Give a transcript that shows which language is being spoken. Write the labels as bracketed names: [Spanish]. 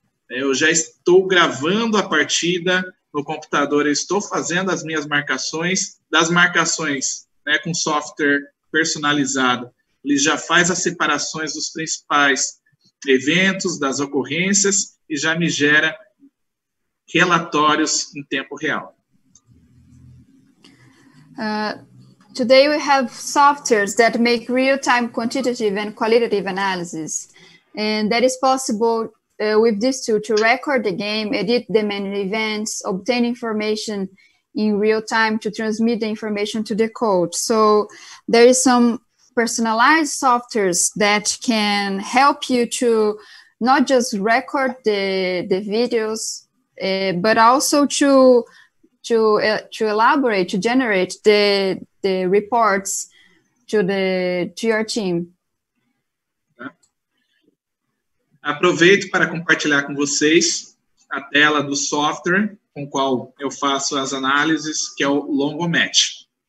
[Portuguese] Eu já estou gravando a partida no computador, eu estou fazendo as minhas marcações, das marcações, né, com software personalizado. Ele já faz as separações dos principais eventos, das ocorrências, e já me gera relatórios em tempo real. [English] Today we have softwares that make real-time quantitative and qualitative analysis. And that is possible with these two, to record the game, edit the main events, obtain information, in real time to transmit the information to the coach. So there is some personalized softwares that can help you to not just record the videos, but also to elaborate, to generate the reports to your team. [Portuguese] Aproveito para compartilhar com vocês a tela do software com o qual eu faço as análises, que é o Longomatch.